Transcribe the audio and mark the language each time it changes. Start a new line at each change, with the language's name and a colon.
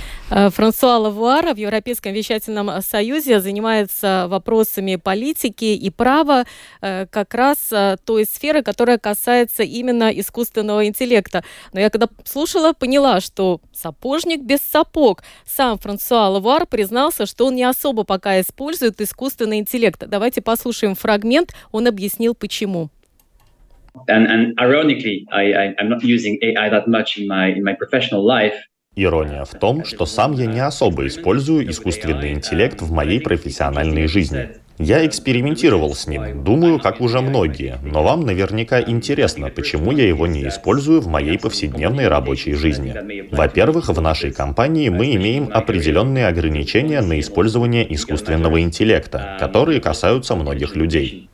Russian: Франсуа Лавуар в Европейском вещательном союзе занимается вопросами политики и права, как раз той сферы, которая касается именно искусственного интеллекта. Но я когда слушала, поняла, что сапожник без сапог. Сам Франсуа Лавуар признался, что он не особо пока использует искусственный интеллект. Давайте послушаем фрагмент, он объяснил почему.
English: And ironically, I'm not using AI that much in my professional life.
Russian: Ирония в том, что сам я не особо использую искусственный интеллект в моей профессиональной жизни. Я экспериментировал с ним, думаю, как уже многие, но вам наверняка интересно, почему я его не использую в моей повседневной рабочей жизни. Во-первых, в нашей компании мы имеем определенные ограничения на использование искусственного интеллекта, которые касаются многих людей.